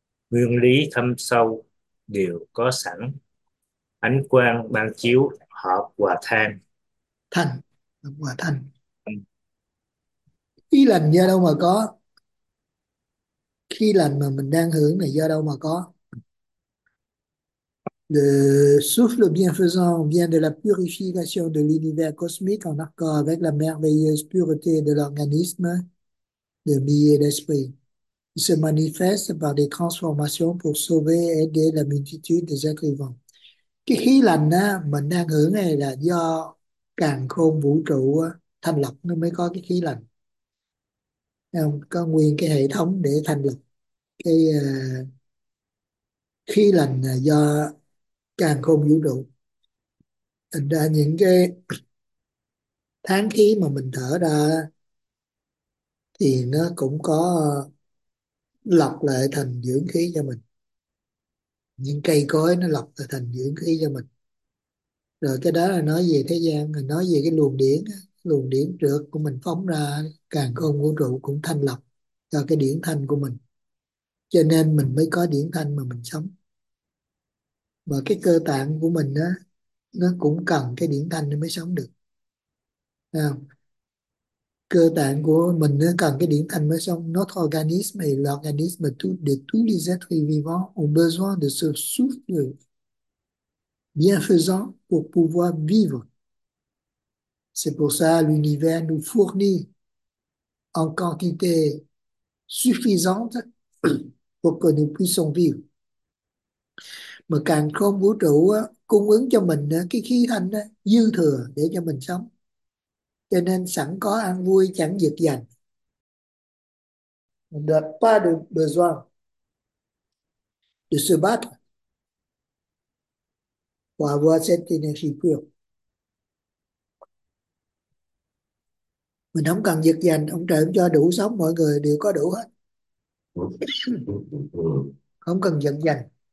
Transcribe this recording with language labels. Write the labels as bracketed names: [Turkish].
[Vietnamese] Nguyên lý thâm sâu đều có sẵn, ánh quang ban chiếu hợp hòa than. Thành và thành ý lành do đâu mà có, khi lành mà mình đang hưởng này do đâu mà có. [French] Le souffle bienfaisant vient de la purification de l'univers cosmique en accord avec la merveilleuse pureté de l'organisme de vie et d'esprit. Il se manifeste par des transformations pour sauver et aider la multitude des êtres vivants. [Vietnamese] Cái khí lành á, mình đang hưởng này là do càn khôn vũ trụ thanh lọc nó mới có cái khí lành, không có nguyên cái hệ thống để thanh lọc cái khí lành là do càn khôn vũ trụ. Thành ra những cái tháng khí mà mình thở ra thì nó cũng có lọc lại thành dưỡng khí cho mình, những cây cối nó lọc lại thành dưỡng khí cho mình. Rồi cái đó là nói về thế gian, là nói về cái luồng điển, luồng điển trượt của mình phóng ra càn khôn vũ trụ cũng thanh lọc cho cái điển thanh của mình, cho nên mình mới có điển thanh mà mình sống. Và cái cơ tạng của mình á, nó cũng cần cái điển thanh để mới sống được, thấy không? Cơ tạng của mình nó cần cái điển thanh mới sống. [French] Notre organisme est l'organisme de tous les êtres vivants ont besoin de ce souffle bienfaisant pour pouvoir vivre. C'est pour ça que l'univers nous fournit en quantité suffisante pour que nous puissions vivre. [Vietnamese] Mà càng không vũ trụ á, cung ứng cho mình á, cái khí thanh á, dư thừa để cho mình sống. Cho nên sẵn có an vui chẳng vật dành. [French] On n'a pas de besoin de se battre pour avoir cette énergie pure. [Vietnamese] Mình không cần vật dành, ông trời cũng cho đủ sống, mọi người đều có đủ hết. Không cần vật dành.